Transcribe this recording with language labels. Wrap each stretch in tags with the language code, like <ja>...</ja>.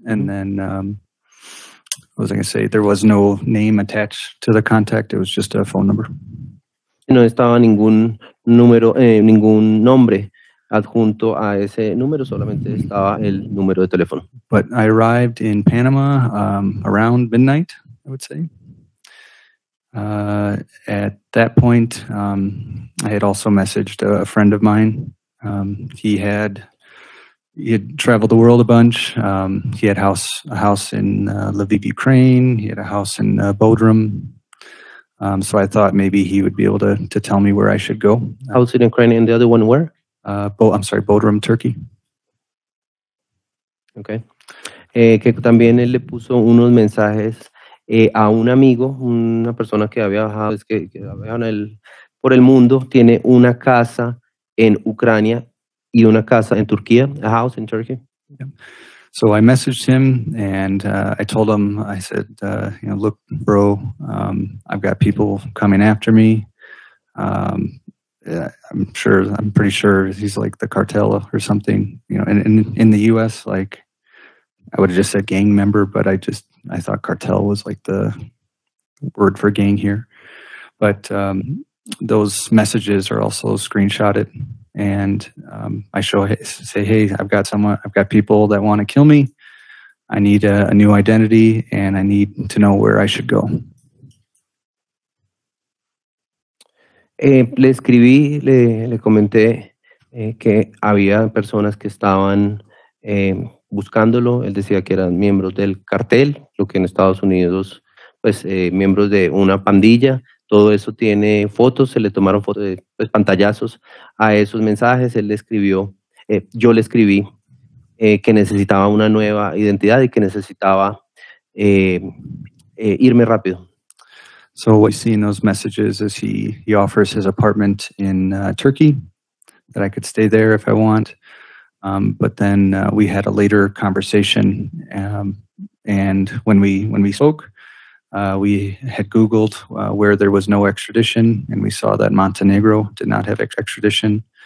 <en>And then, what was I going to say? There was no name attached to the contact. It was just a phone number.</en> <es>No estaba ningún número, ningún nombre adjunto a ese número. Solamente estaba el número de teléfono.</es> <en>But I arrived in Panama around midnight, I would say. At that point, I had also messaged a friend of mine. He had traveled the world a bunch. He had a house in Lviv, Ukraine. He had a house in Bodrum. So I thought maybe he would be able to tell me where I should go. House in Ukraine and the other one where? Bodrum, Turkey. Okay.</en> <es>Que también él le puso unos mensajes a un amigo, una persona que había viajado, es que había por el mundo, tiene una casa en Ucrania y una casa en Turquía,</es> <en>a house in Turkey. Yeah. So I messaged him and I told him, I said, look, bro, I've got people coming after me. I'm pretty sure he's like the cartel or something, in the U.S., like, I would have just said gang member, but I thought cartel was like the word for gang here. But those messages are also screenshotted. And I say, hey, I've got people that want to kill me. I need a new identity and I need to know where I should go.</en> <es>Le escribí, le comenté que había personas que estaban buscándolo. Él decía que eran miembros del cartel, lo que en Estados Unidos, pues miembros de una pandilla. Todo eso tiene fotos, se le tomaron fotos, pues, pantallazos a esos mensajes. Él le escribió, yo le escribí que necesitaba una nueva identidad y que necesitaba irme rápido.</es> <en>So what you see in those messages is he offers his apartment in Turkey, that I could stay there if I want. But then we had a later conversation, and when we spoke, we had Googled where there was no extradition, and we saw that Montenegro did not have extradition.</en>